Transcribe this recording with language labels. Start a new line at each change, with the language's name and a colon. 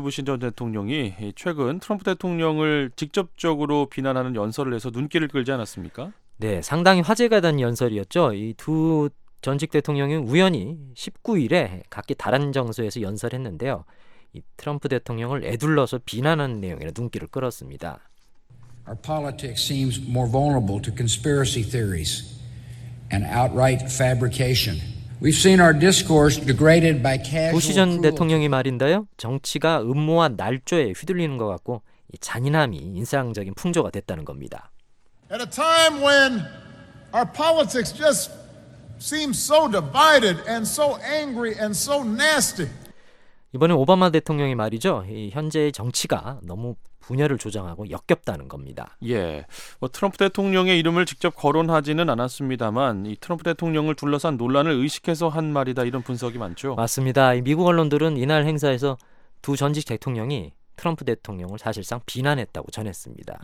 Korean: 부시 전 대통령이 최근 트럼프 대통령을 직접적으로 비난하는 연설을 해서 눈길을 끌지 않았습니까? 네, 상당히 화제가 된 연설이었죠. 이 두 전직 대통령이 우연히 19일에 각기 다른 장소에서 연설했는데요. 이 트럼프 대통령을 에둘러서 비난하는 내용이라 눈길을 끌었습니다.
English: Our politics seems more vulnerable to conspiracy theories and outright fabrication. We've seen our discourse degraded by casual.
Korean: 부시 전 대통령이 말인데요. 정치가 음모와 날조에 휘둘리는 것 같고 이 잔인함이 인상적인 풍조가 됐다는 겁니다.
English: At a time when our politics just seems so divided and so angry and so nasty.
Korean: 이번에 오바마 대통령이 말이죠. 현재의 정치가 너무 분열을 조장하고 역겹다는 겁니다. 예, 뭐 트럼프 대통령의 이름을 직접 거론하지는 않았습니다만 이 트럼프 대통령을 둘러싼 논란을 의식해서 한 말이다 이런 분석이 많죠. 맞습니다. 미국 언론들은 이날 행사에서 두 전직 대통령이 트럼프 대통령을 사실상 비난했다고 전했습니다.